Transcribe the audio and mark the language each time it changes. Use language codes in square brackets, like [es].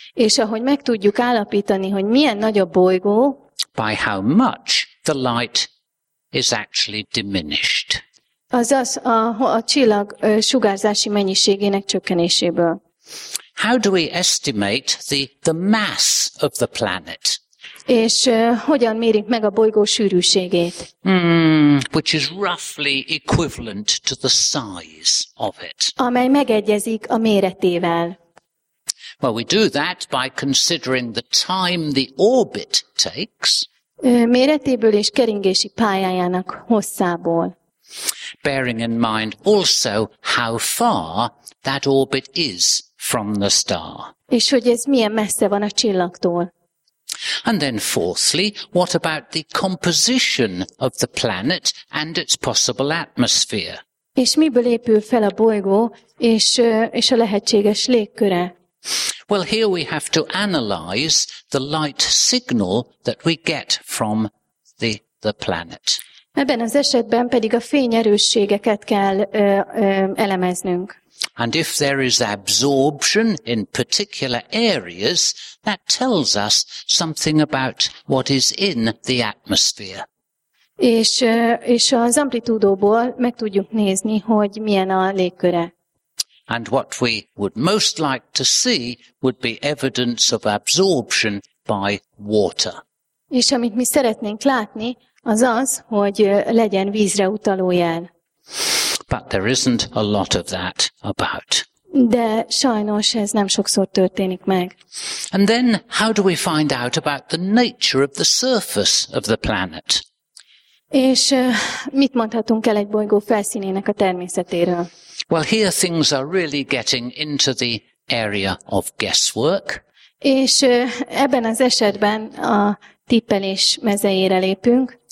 [hu] És ahogy meg tudjuk állapítani, hogy milyen nagy a bolygó? [en] By how much the light is actually diminished. [hu] Azaz a csillag sugárzási mennyiségének csökkenéséből. [en] How do we estimate the mass of the planet? [hu] És hogyan mérik meg a bolygó sűrűségét? [en] Which is roughly equivalent to the size of it. [hu] Amely megegyezik a méretével. [en] Well, we do that by considering the time the orbit takes. [hu] Méretéből és keringési pályájának hosszából. [en] Bearing in mind also how far that orbit is from the star. [hu] És hogy ez milyen messze van a csillagtól. [en] And then fourthly, what about the composition of the planet and its possible atmosphere? [hu] És miből épül fel a bolygó és a lehetséges légköre? [en] Well, here we have to analyze the light signal that we get from the planet. [hu] Ebben az esetben pedig a fényerősségeket kell elemeznünk. [en] And if there is absorption in particular areas, that tells us something about what is in the atmosphere. [hu] És az amplitúdóból meg tudjuk nézni, hogy milyen a légköre. [en] And what we would most like to see would be evidence of absorption by water. [hu] És amit mi szeretnénk látni, az az, hogy legyen vízre utaló jel. [en] But there isn't a lot of that about. [hu] De sajnos ez nem sokszor történik meg. [en] And then how do we find out about the nature of the surface of the planet? [hu] És mit mondhatunk el egy bolygó felszínének a természetéről? [en] Well, here things are really getting into the area of guesswork. [hu] És ebben az esetben a tippelés mezejére lépünk.